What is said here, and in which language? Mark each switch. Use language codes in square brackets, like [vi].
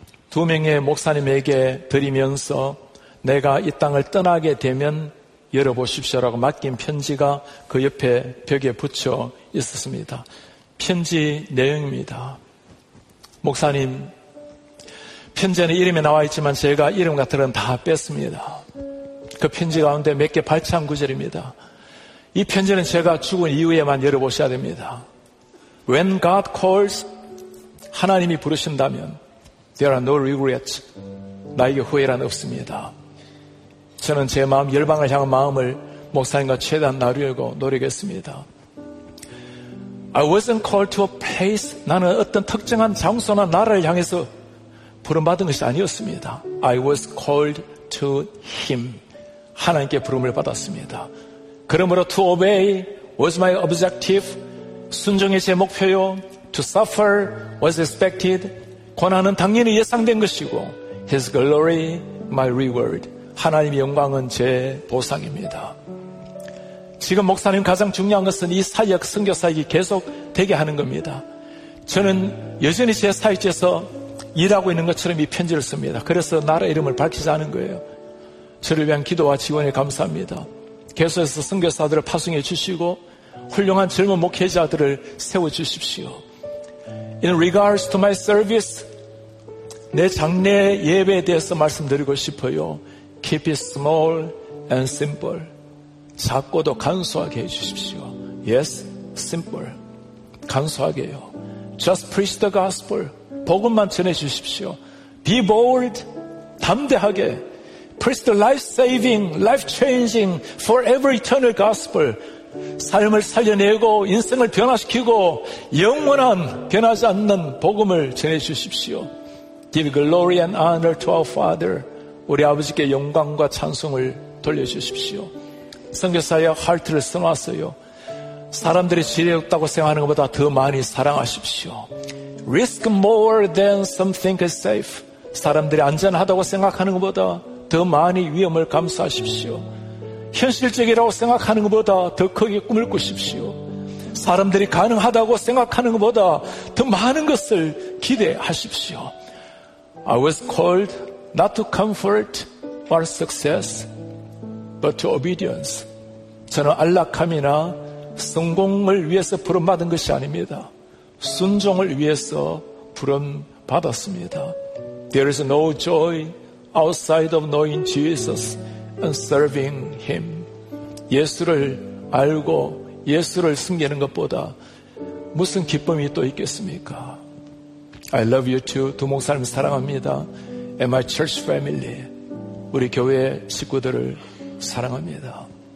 [ko] 두 명의 목사님에게 드리면서 내가 이 땅을 떠나게 되면 열어보십시오라고 맡긴 편지가 그 옆에 벽에 붙여 있었습니다. 편지 내용입니다. 목사님, 편지에는 이름이 나와 있지만 제가 이름 같은 건 다 뺐습니다. 그 편지 가운데 몇 개 발췌한 구절입니다. 이 편지는 제가 죽은 이후에만 열어보셔야 됩니다. [en] When God calls, [ko] 하나님이 부르신다면 [en] There are no regrets. [ko] 나에게 후회란 없습니다. 저는 제 마음, 열방을 향한 마음을 목사님과 최대한 나누려고 노력했습니다. [en] I wasn't called to a place. [ko] 나는 어떤 특정한 장소나 나라를 향해서 부름받은 것이 아니었습니다. [en] I was called to him. [ko] 하나님께 부름을 받았습니다. 그러므로 [en] to obey was my objective. [ko] 순종이 제 목표요. [en] To suffer was expected. [ko] 고난은 당연히 예상된 것이고 [en] His glory my reward. [ko] 하나님의 영광은 제 보상입니다. 지금 목사님 가장 중요한 것은 이 사역, 선교사역이 계속 되게 하는 겁니다. 저는 여전히 제 사역지에서 일하고 있는 것처럼 이 편지를 씁니다. 그래서 나라 이름을 밝히지 않은 거예요. 저를 위한 기도와 지원에 감사합니다. 계속해서 선교사들을 파송해 주시고 훌륭한 젊은 목회자들을 세워주십시오. [en] In regards to my service, [ko] 내 장례 예배에 대해서 말씀드리고 싶어요. [en] Keep it small and simple. [ko] 작고도 간소하게 해주십시오. [en] Yes, simple. [ko] 간소하게요. [en] Just preach the gospel. [ko] 복음만 전해 주십시오. [en] Be bold. [ko] 담대하게. [en] Preach the life-saving, life-changing, forever eternal gospel. [ko] 삶을 살려내고 인생을 변화시키고 영원한 변하지 않는 복음을 전해 주십시오. [en] Give glory and honor to our Father. [ko] 우리 아버지께 영광과 찬송을 돌려주십시오. 선교사의 하트를 써놨어요. 사람들이 지혜롭다고 생각하는 것보다 더 많이 사랑하십시오. [en] Risk more than some think is safe. [ko] 사람들이 안전하다고 생각하는 것보다 더 많이 위험을 감수하십시오. 현실적이라고 생각하는 것보다 더 크게 꿈을 꾸십시오. 사람들이 가능하다고 생각하는 것보다 더 많은 것을 기대하십시오. [en] I was called not to comfort or success, but to obedience. [ko] 저는 안락함이나 성공을 위해서 부름받은 것이 아닙니다. 순종을 위해서 부름받았습니다. [en] There is no joy outside of knowing Jesus and serving Him. [ko] 예수를 알고 예수를 섬기는 것보다 무슨 기쁨이 또 있겠습니까? [en] I love you too. [ko] 두 목사님 사랑합니다. [en] And my church family. [ko] 우리 교회 식구들을 사랑합니다.